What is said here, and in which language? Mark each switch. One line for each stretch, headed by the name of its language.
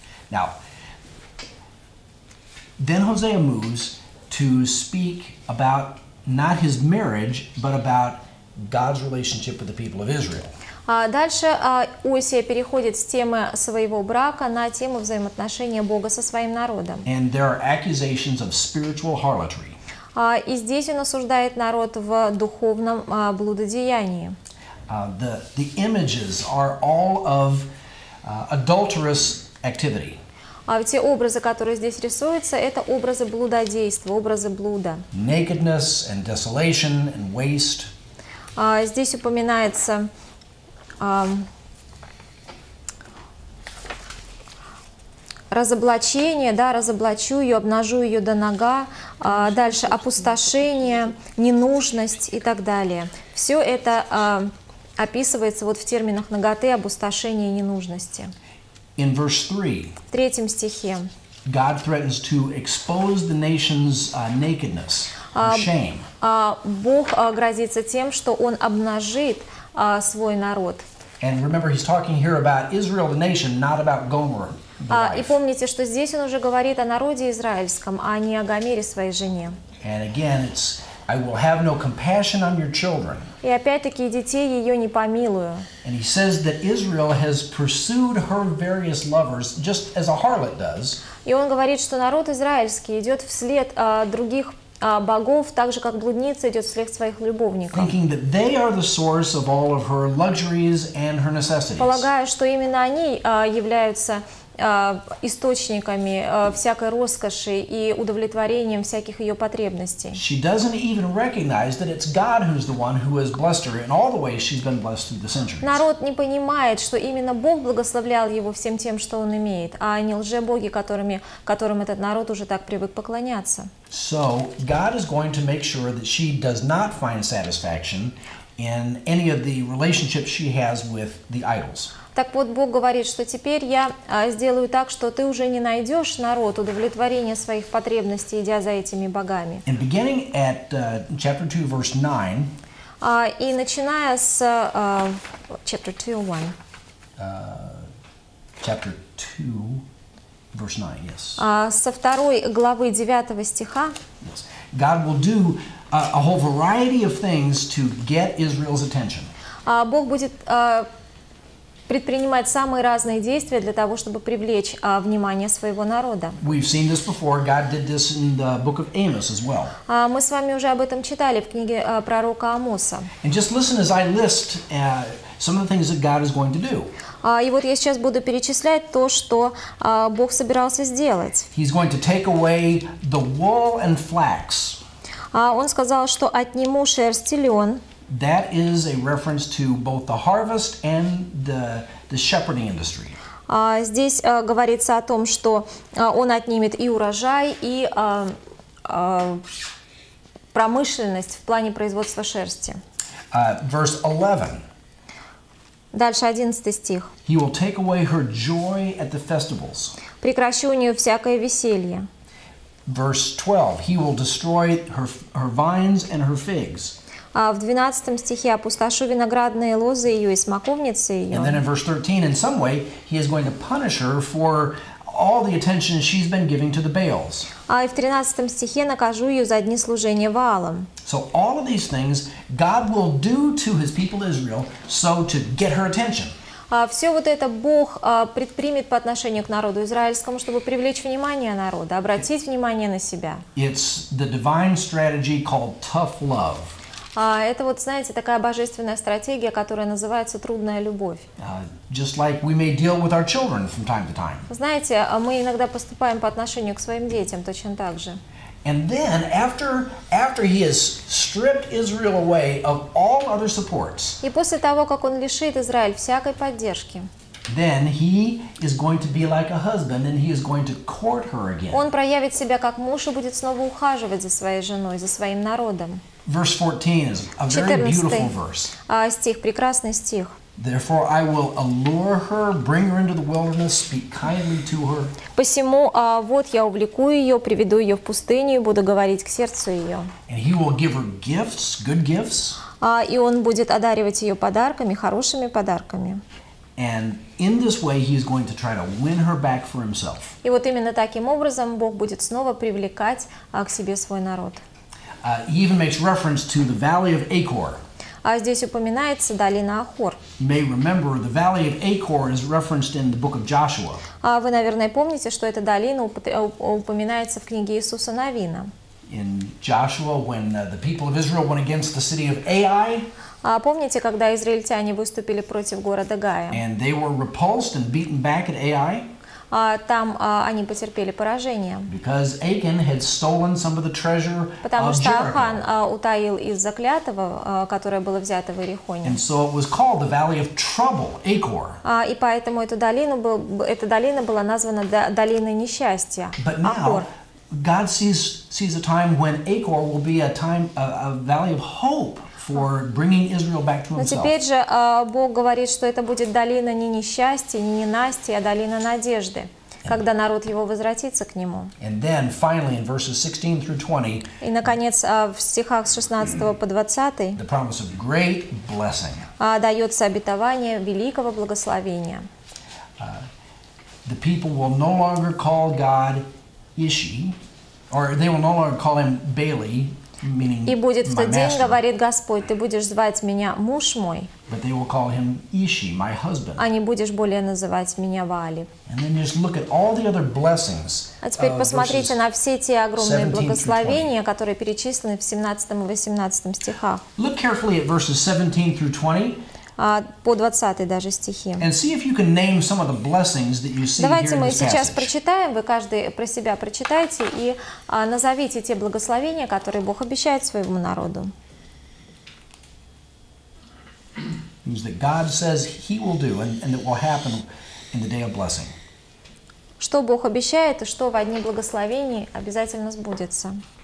English: Now, then Hosea moves to speak about not his marriage, but about God's relationship with the people of Israel.
Russian: Дальше Осия переходит с темы своего брака на тему взаимоотношения Бога со своим народом.
English: And there are accusations of spiritual harlotry.
Russian: И здесь он осуждает народ в духовном блудодеянии.
English: The images are all of adulterous activity.
Russian: Те образы, которые здесь рисуются, это образы блудодейства, образы блуда.
English: Nakedness and desolation and waste.
Russian: Здесь упоминается разоблачение, да, разоблачу ее, обнажу ее до нога, дальше опустошение, ненужность и так далее. Все это описывается вот в терминах наготы, опустошения и ненужности.
English: In verse 3,
Russian: в третьем стихе
English: God threatens to expose the nation's nakedness and shame.
Russian: Бог грозится тем, что Он обнажит свой народ.
English: And remember, he's talking here about Israel, the nation, not about Gomer.
Russian: И помните, что здесь он уже говорит о народе израильском, а не о Гомере, своей жене.
English: And again, it's I will have no compassion on your children.
Russian: И опять-таки детей ее не помилую.
English: And he says that Israel has pursued her various lovers, just as a harlot does.
Russian: И он говорит, что народ израильский идет вслед других богов, так же как блудница идет вслед своих любовников.
English: Thinking that they are the source of all of her luxuries and her necessities.
Russian: Полагая, что именно они являются источниками всякой роскоши и удовлетворением всяких ее потребностей.
English: She doesn't even recognize that it's God who's the one who has blessed her in all the ways she's been blessed through the centuries.
Russian: Народ не понимает, что именно Бог благословлял его всем тем, что он имеет, а не лжебоги, которым этот народ уже так привык поклоняться.
English: So God is going to make sure that she does not find satisfaction in any of the relationships she has with the idols.
Russian: Так вот, Бог говорит, что теперь я сделаю так, что ты уже не найдешь, народ, удовлетворения своих потребностей, идя за этими богами.
English: And beginning at chapter 2, verse 9.
Russian: И начиная с chapter 2, 1.
English: Chapter 2, verse 9, yes.
Russian: Со второй главы 9 стиха.
English: Yes. God will do a whole variety of things to get Israel's attention.
Russian: Бог будет предпринимать самые разные действия для того, чтобы привлечь внимание своего народа.
English: We've seen this before. God did this in the book of Amos as well.
Russian: Мы с вами уже об этом читали в книге пророка Амоса.
English: And just listen as I list some of the things that God is going to do.
Russian: И вот я сейчас буду перечислять то, что Бог собирался сделать.
English: He's going to take away the wool and flax.
Russian: Он сказал, что отниму шерсть и лен.
English: That is a reference to both the harvest and the shepherding industry.
Russian: Здесь говорится о том, что он отнимет и урожай, и промышленность в плане производства шерсти.
English: Verse 11.
Russian: Дальше 11 стих.
English: He will take away her joy at the festivals.
Russian: Прекращу у нее всякое веселье.
English: Verse 12. He will destroy her vines and her figs.
Russian: В 12 стихе опустошу виноградные лозы ее и смоковницы ее.
English: And then in verse 13, in some way, he is going to punish her for all the attention she's been giving to the Baals.
Russian: И в 13 стихе накажу ее за дни служения Ваалам.
English: So all of these things God will do to his people Israel so to get her attention.
Russian: Все вот это Бог предпримет по отношению к народу израильскому, чтобы привлечь внимание народа, обратить внимание на себя.
English: It's the divine strategy called tough love.
Russian: Это вот, знаете, такая божественная стратегия, которая называется трудная любовь.
English: Just like we may deal with our children from time to time.
Russian: Знаете, мы иногда поступаем по отношению к своим детям точно так же.
English: And then after he has stripped Israel away of all other supports.
Russian: И после того, как он лишит Израиль всякой поддержки.
English: Then he is going to be like a husband and he is going to court her again.
Russian: Он проявит себя как муж и будет снова ухаживать за своей женой, за своим народом.
English: Verse 14 is a very beautiful verse.
Russian: Стих, прекрасный стих.
English: Therefore I will allure her, bring her into the wilderness, speak kindly to her.
Russian: Посему, вот я увлеку ее, приведу ее в пустыню, буду говорить к сердцу ее.
English: And he will give her gifts, good gifts.
Russian: И он будет одаривать ее подарками, хорошими подарками.
English: And in this way he is going to try to win her back for himself.
Russian: И вот именно таким образом Бог будет снова привлекать к себе свой народ.
English: He even makes reference to the Valley of Achor.
Russian: А здесь упоминается долина Ахор.
English: You may remember the Valley of Achor is referenced in the book of Joshua.
Russian: А вы, наверное, помните, что эта долина упоминается в книге Иисуса Навина.
English: In Joshua, when the people of Israel went against the city of Ai.
Russian: А помните, когда израильтяне выступили против города Гая?
English: And they were repulsed and beaten back at Ai.
Russian: Там они потерпели поражение.
English: Because Achan had stolen some of the treasure of Jericho.
Russian: Потому что Ахан утаил из заклятого, которое было взято в Иерихоне.
English: And so it was called the Valley of Trouble, Achor.
Russian: И поэтому эта долина была названа долиной несчастья.
English: But now God sees a time when Achor will be a valley of hope. For bringing Israel back to himself.
Russian: Но теперь же Бог говорит, что это будет долина не несчастья, не ненасти, а долина надежды, когда народ его возвратится к нему.
English: And then, finally, in verses 16 through 20,
Russian: и, наконец, в стихах с 16 по 20,
English: the promise of great blessing.
Russian: Дается обетование великого благословения.
English: The people will no longer call God Ishi, or they will no longer call him Baali.
Russian: И будет в тот день, говорит Господь, ты будешь звать меня муж мой.
English: But they will call him Ishi, my husband.
Russian: А не будешь более называть меня Ваали.
English: And then just look at all the other blessings.
Russian: А теперь посмотрите на все те огромные благословения, которые перечислены в 17 и 18 стихах.
English: Look carefully at verses 17 through 20.
Russian: По 20 даже стихи.
English: And see if you can name some of the blessings that you see here.
Russian: Давайте мы сейчас прочитаем, вы каждый про себя прочитайте и назовите те благословения, которые Бог обещает своему народу.
English: Things that God says he will do and that will happen in the day of blessing.
Russian: Что Бог обещает и что в одни благословения обязательно сбудется.